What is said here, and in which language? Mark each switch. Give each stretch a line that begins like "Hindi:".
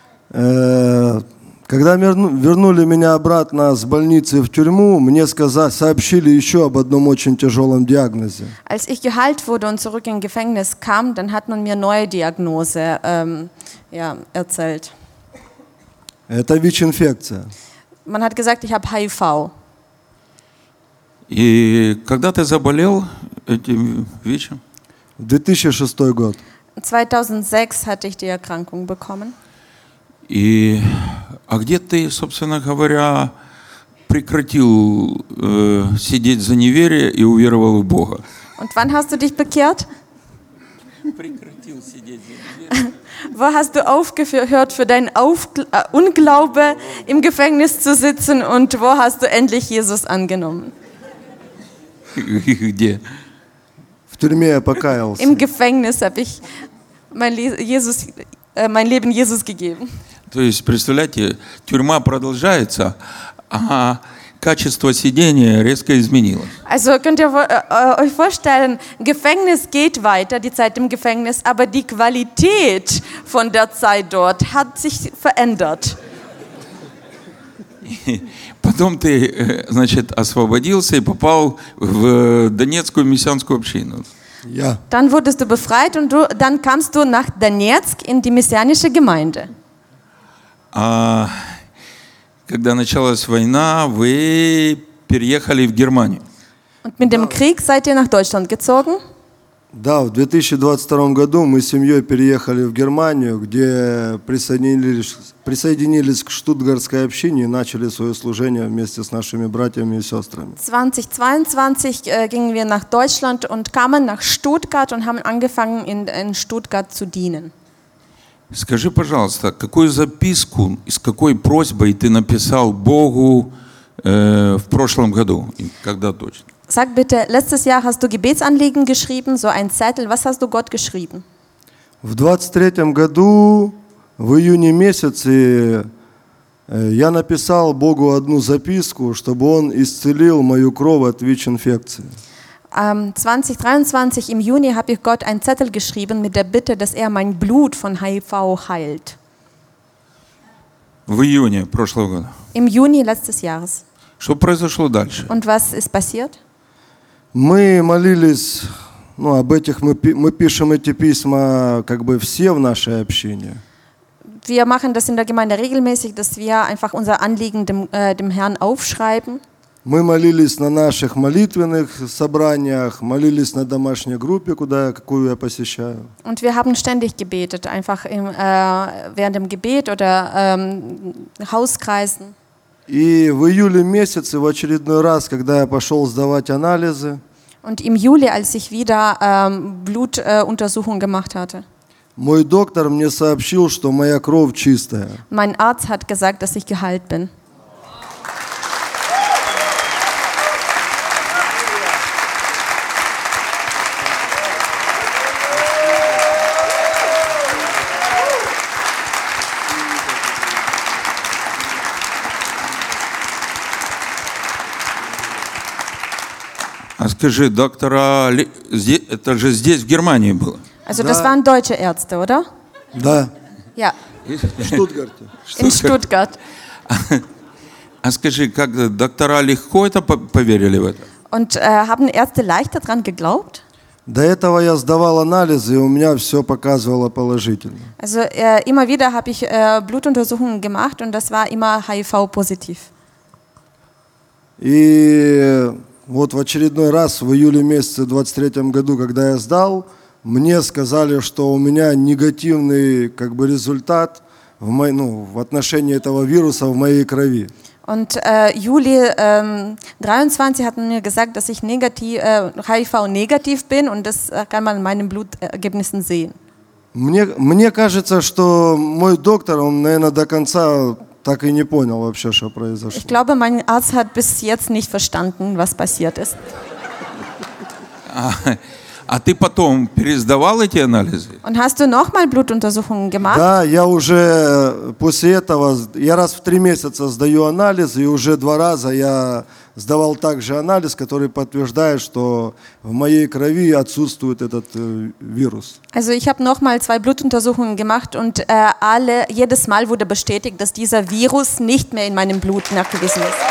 Russian: Когда вернули меня обратно с больницы в тюрьму, мне сообщили еще об одном очень тяжелом диагнозе.
German: Als ich geheilt wurde und zurück in Gefängnis kam, dann hat man mir neue Diagnose erzählt.
Russian: Это ВИЧ-инфекция.
German: Man hat gesagt, ich habe HIV.
Russian: И когда ты заболел этим ВИЧ? 2006 год.
German: 2006 hatte ich die Erkrankung bekommen.
Russian: И а где ты, собственно говоря, прекратил сидеть за неверие и уверовал в Бога?
German: Und wann hast du dich bekehrt?
Russian: Прекратил сидеть за неверие.
German: Wo hast du aufgehört für dein Unglaube im Gefängnis zu sitzen und wo hast du endlich Jesus angenommen?
Russian: Где? В тюрьме я покаялся.
German: Im Gefängnis habe ich mein Leben Jesus gegeben.
Russian: То есть, представляете, тюрьма продолжается, а качество сидения резко изменилось.
German: Also, könnt ihr euch vorstellen, Gefängnis geht weiter, die Zeit im Gefängnis, aber die Qualität von der Zeit dort hat sich verändert.
Russian: Потом ты, значит, освободился и попал в Донецкую мессианскую общину.
German: Ja. Dann wurdest du befreit und dann kamst du nach Donetsk in die messianische Gemeinde.
Russian: А когда началась война, вы переехали в Германию.
German: Und mit dem Krieg seid ihr nach Deutschland gezogen?
Russian: Да, в 2022 году мы с семьей переехали в Германию, где присоединились к Штутгартской общине и начали свое служение вместе с нашими братьями и сестрами.
German: 2022 gingen wir nach Deutschland und kamen nach Stuttgart und haben angefangen in Stuttgart zu dienen.
Russian: Скажи, пожалуйста, какую записку, с какой просьбой ты написал Богу в прошлом году? Когда точно?
German: Sag bitte, letztes Jahr hast du Gebetsanliegen geschrieben, so ein Zettel, was hast du Gott geschrieben?
Russian: В 23-м году, в июне месяце, я написал Богу одну записку, чтобы он исцелил мою кровь от ВИЧ-инфекции.
German: 2023 im Juni habe ich Gott einen Zettel geschrieben mit der Bitte, dass er mein Blut von HIV heilt.
Russian: В июне прошлого года.
German: Im Juni letztes Jahres.
Russian: Что произошло дальше?
German: Und was ist passiert?
Russian: Мы молились, ну, об этих мы пишем эти письма как бы все в нашей общине.
German: Wir machen das in der Gemeinde regelmäßig, dass wir einfach unser Anliegen dem Herrn aufschreiben.
Russian: Мы молились на наших молитвенных собраниях, молились на домашней группе, какую я посещаю.
German: Und wir haben ständig gebetet, einfach während dem Gebet oder Hauskreisen.
Russian: И в июле месяце, в очередной раз, когда я пошел сдавать анализы,
German: Und im Juli, als ich wieder Blutuntersuchungen gemacht hatte.
Russian: Мой доктор мне сообщил, что моя кровь чистая.
German: Mein Arzt hat gesagt, dass ich geheilt bin.
Russian: Скажи, доктора, это же здесь, в Германии было.
German: Also, das waren deutsche Ärzte, oder?
Russian: Да.
German: Ja.
Russian: Штутгарте.
German: In Stuttgart.
Russian: А скажи, как доктора легко это поверили в это?
German: Und haben Ärzte leichter dran geglaubt?
Russian: До этого я сдавал анализы, и у меня все показывало положительно.
German: Also, immer wieder habe ich Blutuntersuchungen gemacht, und das war immer HIV-positiv.
Russian: И вот в очередной раз в июле месяце 23-м году, когда я сдал, мне сказали, что у меня негативный как бы результат в отношении этого вируса в моей крови.
German: Und Juli 23 hat mir gesagt, dass ich HIV negativ bin und das kann man in meinen Blutergebnissen sehen.
Russian: Мне кажется, что мой доктор, он, наверное, до конца так и не понял вообще, что произошло.
German: Ich glaube, mein Arzt hat bis jetzt nicht verstanden, was passiert ist.
Russian: А ты потом пересдавал эти анализы?
German: Und hast du nochmal Blutuntersuchungen gemacht?
Russian: Да, я уже после этого, я раз в три месяца сдаю анализы, и уже два раза я сдавал также анализ, который подтверждает, что в моей крови отсутствует этот вирус.
German: Also, ich habe noch mal zwei Blutuntersuchungen gemacht und jedes Mal wurde bestätigt, dass dieser Virus nicht mehr in meinem Blut nachgewiesen ist.